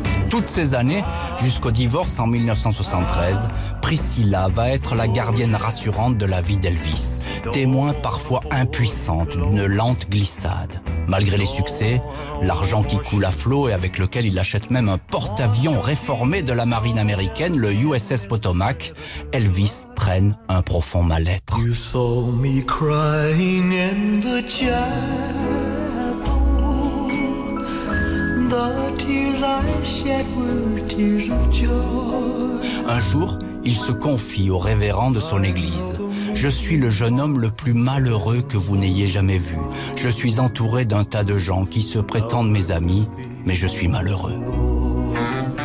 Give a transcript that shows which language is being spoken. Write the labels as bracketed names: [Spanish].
[French] Toutes ces années, jusqu'au divorce en 1973, Priscilla va être la gardienne rassurante de la vie d'Elvis, témoin parfois impuissante d'une lente glissade. Malgré les succès, l'argent qui coule à flot et avec lequel il achète même un porte-avions réformé de la marine américaine, le USS Potomac, Elvis traîne un profond mal-être. [English] You saw me crying in the chapel. The tears I shed were tears of joy. [French] Un jour, il se confie au révérend de son église. « Je suis le jeune homme le plus malheureux que vous n'ayez jamais vu. Je suis entouré d'un tas de gens qui se prétendent mes amis, mais je suis malheureux. »